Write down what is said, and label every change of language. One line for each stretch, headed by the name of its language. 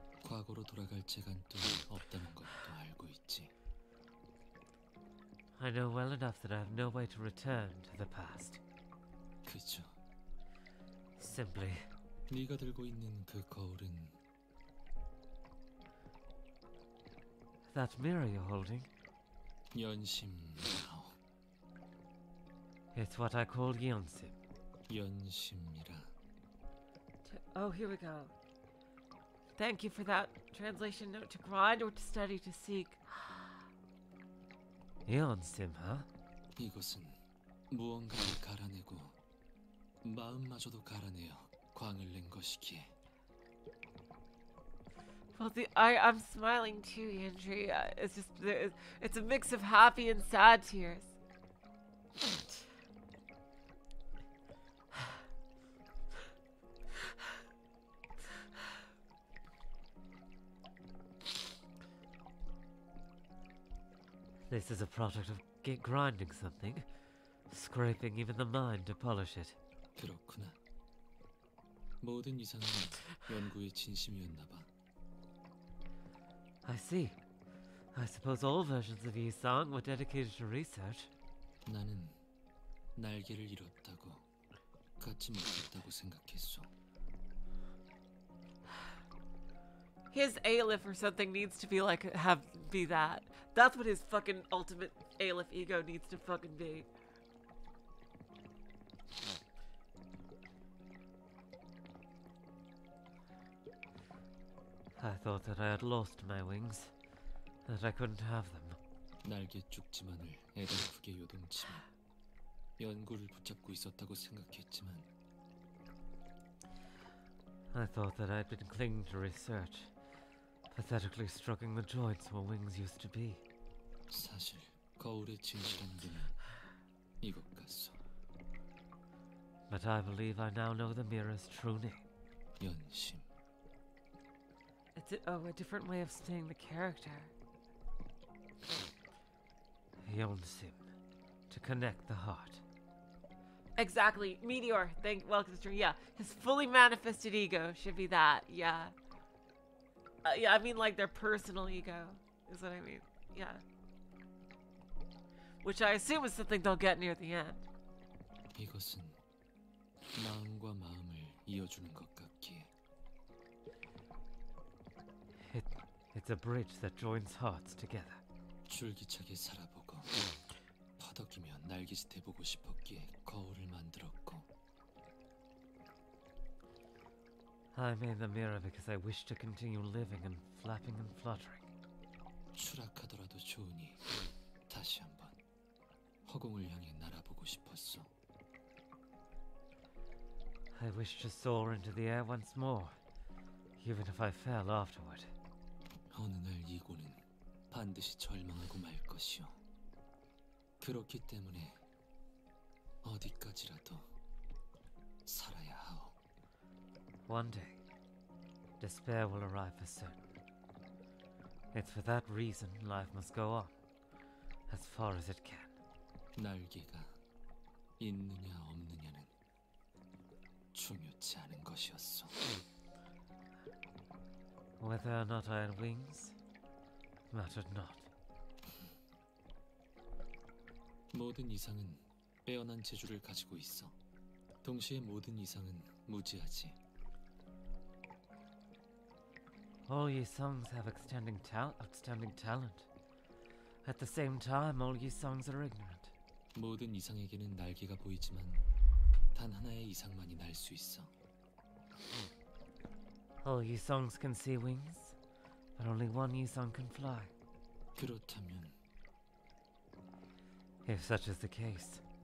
Korean: 과거로 돌아갈 재간도 없다는 것도 알고 있지.
English: I know well enough that I have no way to return to the past.
Korean: 그죠.
English: Simply.
Korean: 네가 들고 있는 그 거울은.
English: That mirror you're holding.
Korean: 연심.
English: It's what I call 연심.
Korean: 연심이라.
English: Oh, here we go. Thank you for that translation note. To grind or to study, to seek. 연심, huh?
Korean: 이것은 무언가를 갈아내고 마음마저도 갈아내어 광을 낸 것이기에.
English: Well, I'm smiling too, Andrea. It's just, it's a mix of happy and sad tears. This is a product of grinding something, scraping even the mine to polish it.
Korean: 그렇구나. 모든 이상은 연구의 진심이었나 봐.
English: I see. I suppose all versions of Yisang were dedicated to research.
Korean: 나는 날개를 잃었다고 갖지 못했다고 생각했어.
English: His alif or something needs to be like have be that. That's what his fucking ultimate alif ego needs to fucking be. I thought that I had lost my wings, that I couldn't have them.
Korean: 날개 죽지만을 애달프게 요동치며 연구를 붙잡고 있었다고 생각했지만.
English: I thought that I'd been clinging to research, pathetically struggling the joints where wings used to be.
Korean: 사실 거울의 진실한 그는 이것 같소.
English: But I believe I now know the mirror's true name.
Korean: 연심.
English: It's a different way of saying the character. Yonsim, to connect the heart. Exactly. Meteor, welcome to the stream. Yeah, his fully manifested ego should be that. Yeah. Yeah, I mean like their personal ego, is what I mean. Yeah. Which I assume is something they'll get near the end.
Korean: 이것은 마음과 마음을 이어주는 것 같기에.
English: It's a bridge that joins hearts together.
Korean: 줄기차게 살아보고 퍼덕이며 날개짓 해보고 싶었기에 거울을 만들었고.
English: I made the mirror because I wish to continue living and flapping and fluttering.
Korean: 추락하더라도 좋으니 다시 한번 허공을 향해 날아보고 싶었어.
English: I wish to soar into the air once more, even if I fell afterward.
Korean: 어느 날 이고는 반드시 절망하고 말 것이오. 그렇기 때문에 어디까지라도 살아야 하오.
English: One day, despair will arrive for certain. It's for that reason life must go on, as far as it can.
Korean: 날개가 있느냐 없느냐는 중요치 않은 것이었소.
English: Whether or not I had wings mattered not.
Korean: 모든 이상은 빼어난 재주를 가지고 있어. 동시에 모든 이상은 무지하지.
English: All Yisangs have outstanding talent. At the same time, all Yisangs are ignorant.
Korean: 모든 이상에게는 날개가 보이지만 단 하나의 이상만이 날 수 있어.
English: All Yisangs can see wings, but only one Yisang can fly.
Korean: 그렇다면,
English: if such is the case,